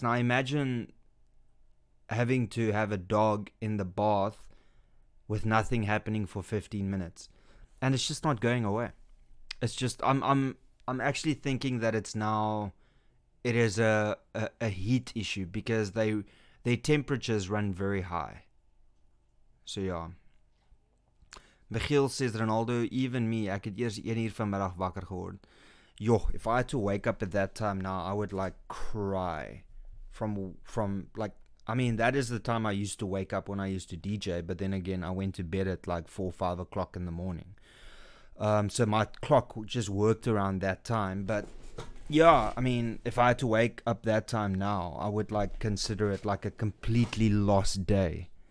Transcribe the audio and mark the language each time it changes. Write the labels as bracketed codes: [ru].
[en] Now imagine having to have a dog in the bath with nothing happening for 15 minutes. And it's just not going away. It's just, I'm actually thinking that it's now, it is a heat issue because their temperatures run very high. So yeah. Michiel says, Ronaldo, even me, [af] ek het eers 1 uur vanmiddag wakker geword. [en] Yo, if I had to wake up at that time now, I would like cry. From like, I mean, that is the time I used to wake up when I used to DJ, but then again, I went to bed at like 4 or 5 o'clock in the morning. So my clock just worked around that time. But yeah, I mean, if I had to wake up that time now, I would like consider it like a completely lost day.